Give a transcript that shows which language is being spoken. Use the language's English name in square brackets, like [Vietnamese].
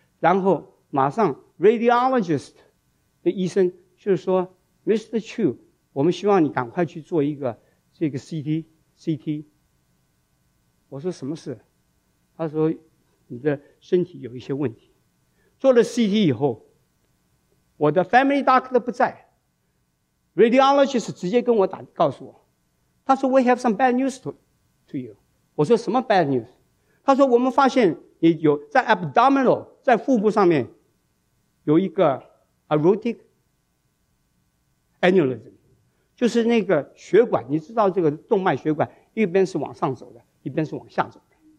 [Chinese] 然后马上 radiologist 的医生就是说 Mr. Chu，我们希望你赶快去做一个这个 CT。我说什么事？他说你的身体有一些问题。做了 CT 以后，我的 family doctor 不在， radiologist 直接跟我打告诉我，他说 [English] we have some bad news to you。 [Chinese] 我说什么 [English] bad news？ [Chinese] 他说我们发现你有在 abdominal， 在腹部上面有一个 aortic aneurysm，就是那个血管，你知道这个动脉血管一边是往上走的，一边是往下走的。